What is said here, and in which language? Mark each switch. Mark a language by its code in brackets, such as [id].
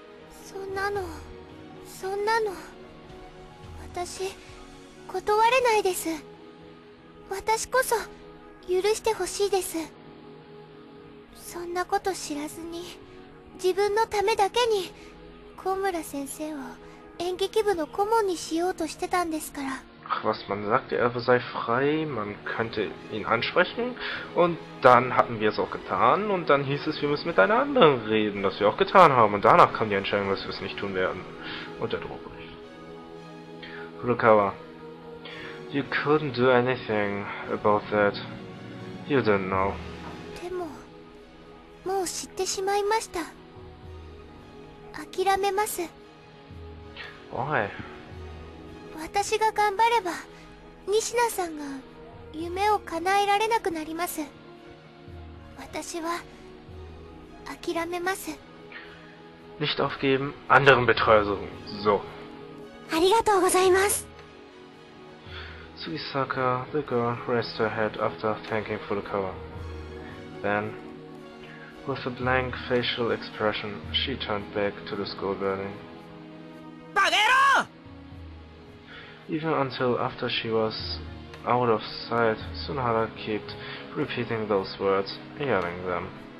[ja] そんなの、そんなの、私、断れないです。私こそ、許してほしいです。そんなこと知らずに、自分のためだけに、小村先生を演劇部の顧問にしようとしてたんですから。 [de] Ach, was man sagte, er sei frei, man könnte ihn ansprechen. Und dann hatten wir es auch getan. Und dann hieß es, wir müssen mit einer anderen reden, das wir auch getan haben. Und danach kam die Entscheidung, dass wir es nicht tun werden. Und der Druck bricht. [en] Furukawa, you couldn't do anything about that. You didn't know. [ja] Demo, もう知ってしまいました。諦めます。 [en] Why? [ja] 私が頑張れば、仁科さんが夢を叶えられなくなります。私は諦めます。 [de] Nicht aufgeben, anderen Betreuer suchen. So. [ja] ありがとうございます。 [en] Sugisaka, the girl, raised her head after thanking Furukawa. Then, with a blank facial expression, she turned back to the school building. Even until after she was out of sight, Sunohara kept repeating those words, yelling them.